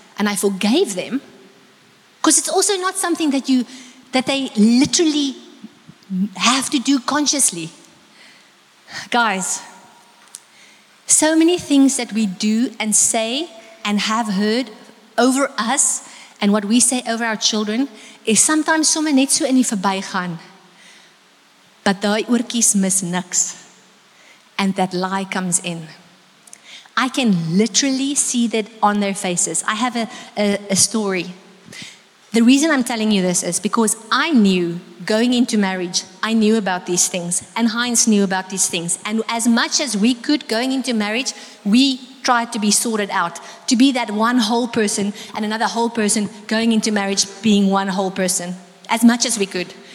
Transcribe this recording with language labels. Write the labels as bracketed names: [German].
[English] And I forgave them. Because it's also not something that they literally have to do consciously. Guys, so many things that we do and say and have heard over us and what we say over our children is sometimes [Afrikaans] somme net so in die verbygaan. But daai oortjies mis niks. [English] And that lie comes in. I can literally see that on their faces. I have a story. The reason I'm telling you this is because I knew going into marriage, I knew about these things, and Heinz knew about these things. And as much as we could going into marriage, we tried to be sorted out, to be that one whole person and another whole person going into marriage being one whole person, as much as we could.